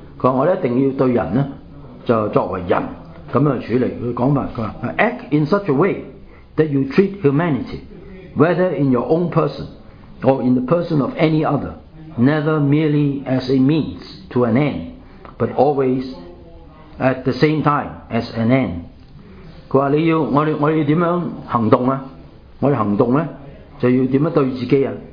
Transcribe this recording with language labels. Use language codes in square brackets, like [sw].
[yue] 佢話我一定要對人咧就作為人咁樣處理。佢講法佢話 [en] ，act in such a way that you treat humanity， whether in your own person or in the person of any other， never merely as a means to an end。 But always at the same time as an end。 [yue] 佢話：你要我哋點樣行動啊？我哋行動咧就要點樣對自己啊？